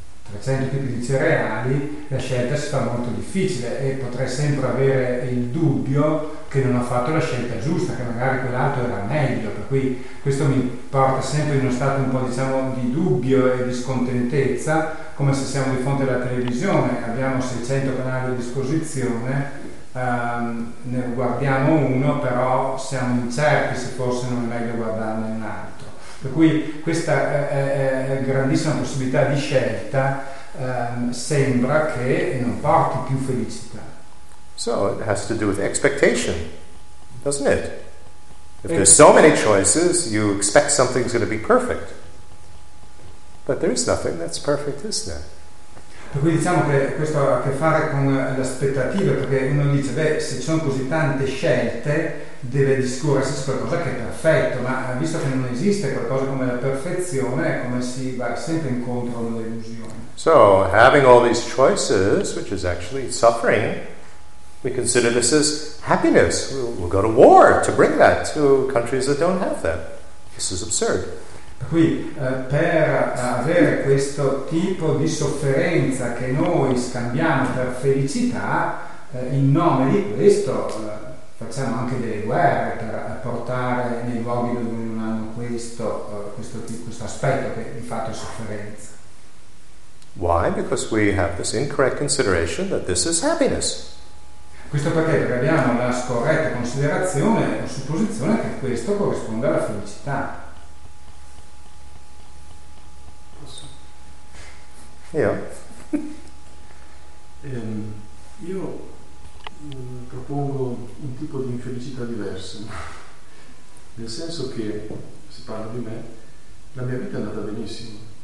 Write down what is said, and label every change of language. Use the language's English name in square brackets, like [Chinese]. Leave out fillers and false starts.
[Italian] 300 tipi di cereali, la scelta si fa molto difficile e potrei sempre avere il dubbio che non ho fatto la scelta giusta, che magari quell'altro era meglio, per cui questo mi porta sempre in uno stato un po', di dubbio e di scontentezza, come se siamo di fronte alla televisione, abbiamo 600 canali a disposizione, ne guardiamo uno, però siamo incerti se forse non è meglio guardarne un altro. Per cui questa grandissima possibilità di scelta sembra che non porti più felicità. [English] So it has to do with expectation, doesn't it? If there's so many choices, you expect something's going to be perfect. But there is nothing that's perfect, is there? [Italian] Per cui diciamo che questo ha a che fare con l'aspettativa, perché uno dice, se ci sono così tante scelte, deve discorrersi su qualcosa che è perfetto, ma visto che non esiste qualcosa come la perfezione, è come si va sempre incontro alla delusione. [English] So, having all these choices, which is actually suffering, we consider this as happiness. We'll go to war to bring that to countries that don't have that. This is absurd. [Italian] Per cui per avere questo tipo di sofferenza che noi scambiamo per felicità, in nome di questo facciamo anche delle guerre per portare nei luoghi dove non hanno questo aspetto che di fatto è sofferenza. [English] Why? Because we have this incorrect consideration that this is happiness. [Italian] Questo perché abbiamo la scorretta considerazione o supposizione che questo corrisponda alla felicità. Io propongo un tipo di infelicità diverso, nel senso che, se parlo di me, la mia vita è andata benissimo.